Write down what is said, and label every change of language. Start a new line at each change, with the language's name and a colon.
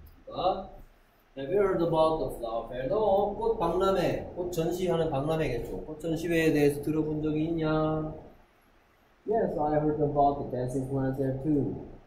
Korean: 그러니까,
English: Have you heard about the flower fair?
Korean: No, 꽃 박람회. 꽃 전시하는 박람회겠죠. 꽃 전시회에 대해서 들어본 적이 있냐?
English: Yes, I heard about the dancing plants there too.